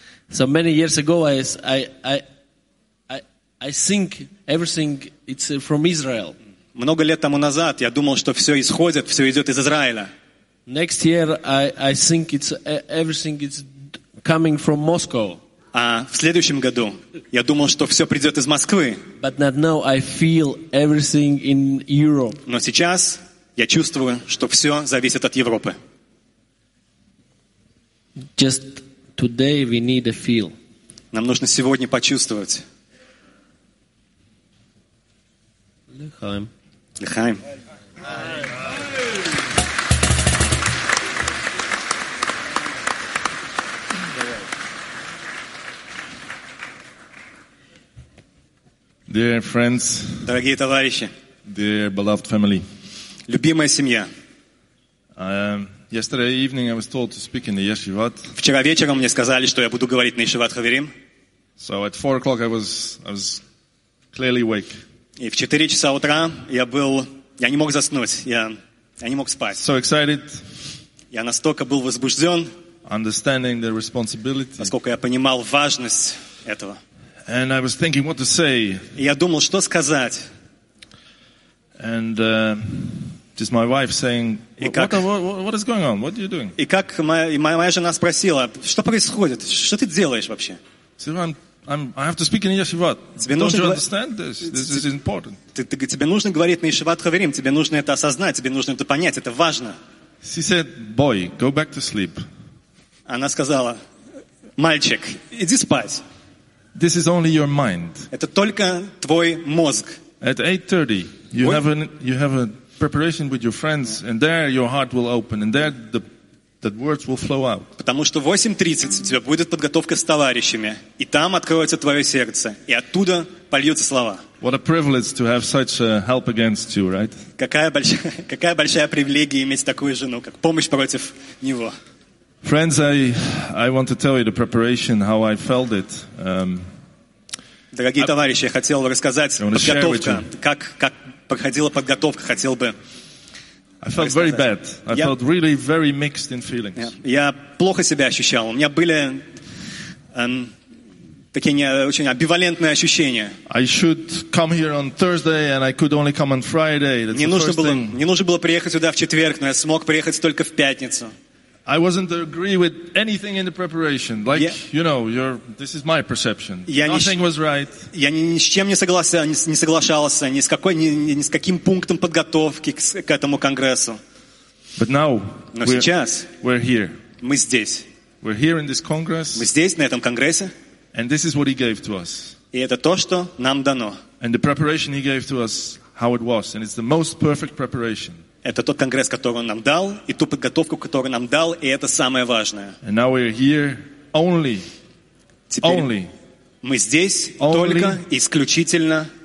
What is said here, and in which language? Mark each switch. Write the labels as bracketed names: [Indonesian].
[English] So many years ago, I think everything it's from Israel. [Russian] Много лет тому назад я думал, что все исходит, все идет из Израиля. [English] Next year I think it's everything it's coming from Moscow. [Russian] А в следующем году я думал, что все придет из Москвы. [English] But not now I feel everything in Europe. [Russian] Но сейчас я чувствую, что все зависит от Европы. [English] Just today we need a feel. [Russian] Нам нужно сегодня почувствовать. [Hebrew] Лехаим. Лехаим. [English] Dear friends. [Russian] Дорогие товарищи. [English] Dear beloved family. [Russian] Любимая семья. [English] Yesterday evening I was told to speak in the Yeshivat. [Russian] Вчера вечером мне сказали, что я буду говорить на Yeshivat Haverim. [English] So at 4 o'clock I was clearly awake. [Russian] И в 4 часа утра я не мог заснуть, я не мог спать. [English] So excited. [Russian] Я настолько был возбужден. [English] Understanding the responsibility. [Russian] Насколько я понимал важность этого. [English] And I was thinking what to say. [Russian] И я думал, что сказать. [English] And just my wife saying, what is going on? What are you doing? [Russian] И как моя жена спросила, что происходит? Что ты делаешь вообще? [English] I have to speak in Yeshivat. Don't you understand this? This is important. [Russian] Тебе нужно говорить на Yeshivat Haverim. Тебе нужно это осознать. Тебе нужно это понять. Это важно. [English] She said, boy, go back to sleep. [Russian] Она сказала, Мальчик, иди спать. [English] This is only your mind. [Russian] Это только твой мозг. [English] At 8:30, you have a preparation with your friends, and there your heart will open, and there the words will flow out. [Russian] Потому что в 8:30 у тебя будет подготовка с товарищами, и там откроется твое сердце, и оттуда польются слова. [English] What a privilege to have such a help against you, right? [Russian] Какая большая привилегия иметь такую жену, как помощь против него. [English] Friends, I want to tell you the preparation, how I felt it. [Russian] Дорогие товарищи, я хотел бы рассказать подготовка, как проходила подготовка, хотел бы. [English] I felt very bad. I felt really very mixed in feelings. [Russian] Я плохо себя ощущал. У меня были такие не очень амбивалентные ощущения. [English] I should come here on Thursday, and I could only come on Friday. [Russian] Не нужно было приехать сюда в четверг, но я смог приехать только в пятницу. [English] I wasn't agree with anything in the preparation. Like, you know, this is my perception. Nothing was right. [Russian] Я ни с чем не соглашался, ни с каким пунктом подготовки к этому конгрессу. [English] But now, we're here. [Russian] Мы здесь. [English] We're here in this congress. [Russian] Мы здесь, на этом конгрессе. [English] And this is what he gave to us. [Russian] И это то, что нам дано. [English] And the preparation he gave to us, how it was. And it's the most perfect preparation. [Russian] Это тот конгресс, который он нам дал, и ту подготовку, которую нам дал, и это самое важное. [English] And now we're here only, [Russian] теперь [English] only, [Russian] мы здесь [English] only [Russian] только исключительно